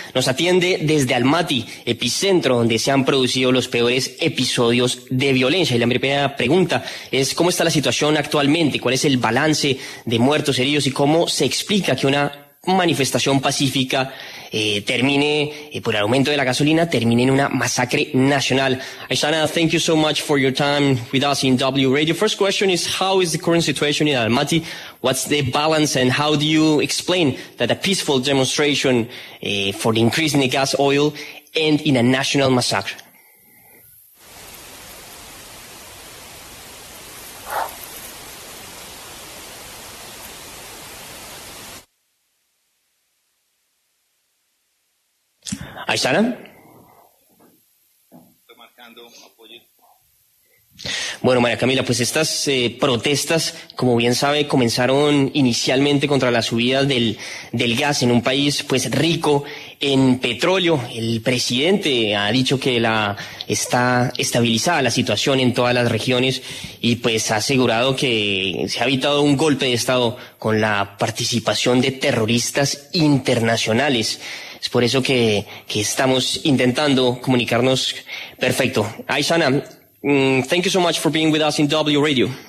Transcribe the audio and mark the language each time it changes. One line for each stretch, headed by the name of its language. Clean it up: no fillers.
Spanish: Nos atiende desde Almaty, epicentro donde se han producido los peores episodios de violencia. Y la primera pregunta es, ¿cómo está la situación actualmente? ¿Cuál es el balance de muertos, heridos y cómo se explica que una manifestación pacífica por el aumento de la gasolina, termine en una masacre nacional?
English: Aishana, thank you so much for your time with us in W Radio. First question is, how is the current situation in Almaty? What's the balance and how do you explain that a peaceful demonstration for the increase in the gas oil end in a national massacre? Aishana.
Spanish: Bueno, María Camila, pues estas protestas, como bien sabe, comenzaron inicialmente contra la subida del gas en un país pues rico en petróleo. El presidente ha dicho que está estabilizada la situación en todas las regiones y pues ha asegurado que se ha evitado un golpe de estado con la participación de terroristas internacionales. Es por eso que estamos intentando comunicarnos. Perfecto.
English: Aishana, thank you so much for being with us in W Radio.